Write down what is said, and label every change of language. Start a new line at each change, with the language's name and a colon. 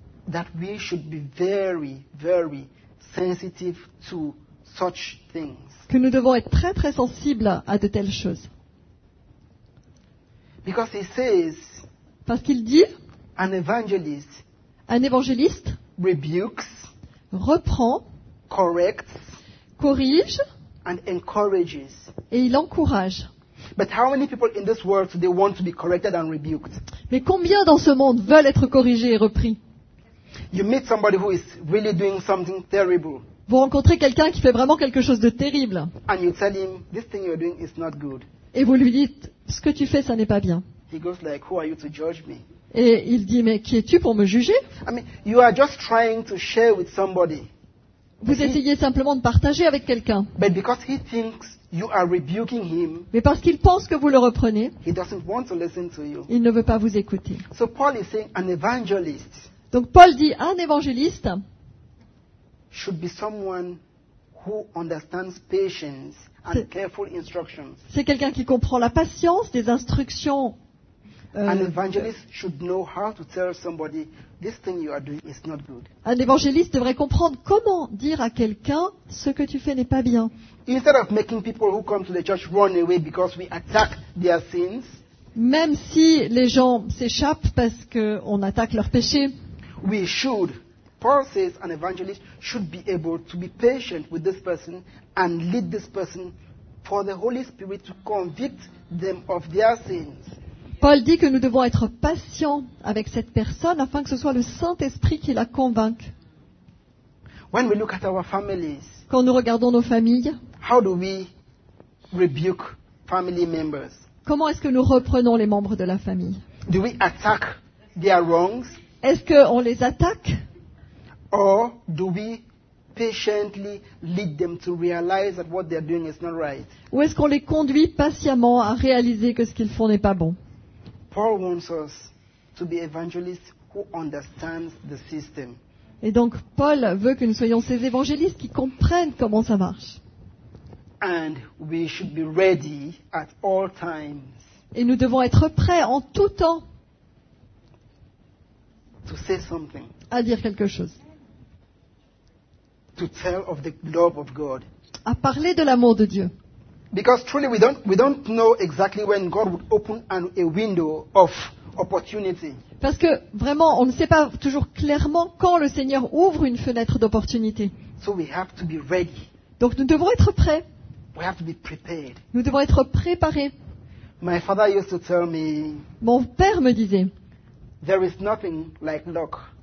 English: that we should be very, very sensitive to such things.
French: Que nous devons être très, très sensibles à de telles choses.
English: Because he says,
French: parce qu'il dit, un évangéliste
English: rebukes,
French: reprend,
English: corrects,
French: corrige,
English: and encourages.
French: Et il encourage.
English: But how many people in this world do they want to be corrected and rebuked?
French: Mais combien dans ce monde veulent être corrigés et repris?
English: You meet somebody who is really doing something terrible.
French: Vous rencontrez quelqu'un qui fait vraiment quelque chose de terrible.
English: And you tell him, this thing you're doing is not good.
French: Et vous lui dites, ce que tu fais, ça n'est pas bien.
English: He goes like, who are you to judge me?
French: Et il dit, mais qui es-tu pour me juger?
English: I mean, you are just trying to share with somebody.
French: Vous essayez simplement de partager avec quelqu'un.
English: But because he thinks you are rebuking him,
French: mais parce qu'il pense que vous le reprenez,
English: he doesn't want to listen to you.
French: Il ne veut pas vous écouter.
English: So Paul is saying an evangelist.
French: Donc Paul dit un évangéliste
English: should be someone who understands patience and careful instructions.
French: C'est quelqu'un qui comprend la patience, des instructions.
English: An evangelist should know how to tell somebody this thing you are doing is not good.
French: Un évangéliste devrait comprendre comment dire à quelqu'un ce que tu fais n'est pas bien.
English: Instead of making people who come to the church run away because we attack their sins,
French: même si les gens s'échappent parce qu'on attaque leurs péchés,
English: we should. Paul says an evangelist should be able to be patient with this person and lead this person for the Holy Spirit to convict them of their sins.
French: Paul dit que nous devons être patients avec cette personne afin que ce soit le Saint-Esprit qui la convainque.
English: When we look at our families,
French: quand nous regardons nos familles,
English: how do we rebuke family members?
French: Comment est-ce que nous reprenons les membres de la famille?
English: Do we attack their wrongs?
French: Est-ce qu'on les attaque?
English: Or do we patiently lead them to realize that what they are doing is not right?
French: Ou est-ce qu'on les conduit patiemment à réaliser que ce qu'ils font n'est pas bon?
English: Paul wants us to be evangelists who understand the system.
French: Et donc Paul veut que nous soyons ces évangélistes qui comprennent comment ça marche.
English: And we should be ready at all times.
French: Et nous devons être prêts en tout temps
English: to say something.
French: À dire quelque chose.
English: To tell of the love of God.
French: À parler de l'amour de Dieu.
English: Because truly we don't know exactly when God would open a window of opportunity.
French: Parce que vraiment on ne sait pas toujours clairement quand le Seigneur ouvre une fenêtre d'opportunité.
English: So we have to be ready.
French: Donc nous devons être prêts.
English: We have to be prepared.
French: Nous devons être préparés.
English: My father used to tell me.
French: Mon père me disait.
English: There is nothing like luck.